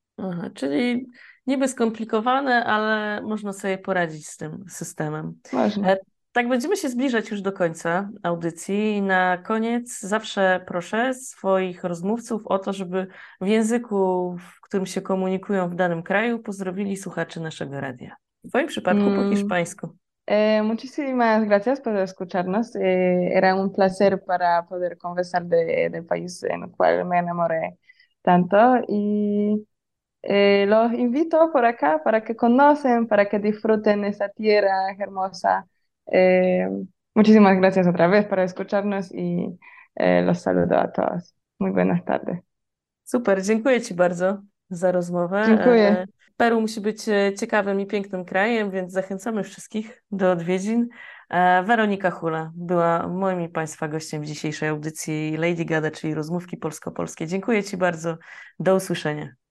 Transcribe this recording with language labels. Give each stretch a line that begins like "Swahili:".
Polish: Aha, czyli niby skomplikowane, ale można sobie poradzić z tym systemem. Można. Tak, będziemy się zbliżać już do końca audycji. Na koniec zawsze proszę swoich rozmówców o to, żeby w języku, w którym się komunikują w danym kraju, pozdrowili słuchaczy naszego radia. W Twoim przypadku po hiszpańsku.
Spanish: Muchísimas gracias por escucharnos. Era un placer para poder conversar de país en el cual me enamoré tanto. Y los invito por acá para que conocen, para que disfruten esa tierra hermosa. Muchísimas gracias otra vez por escucharnos y los saludo a todos. Muy buenas tardes.
Polish: Super, dziękuję Ci bardzo za rozmowę. Peru musi być ciekawym i pięknym krajem, więc zachęcamy wszystkich do odwiedzin. Weronika Hula była moim i Państwa gościem w dzisiejszej audycji Lady Gada, czyli rozmówki polsko-polskie. Dziękuję Ci bardzo. Do usłyszenia.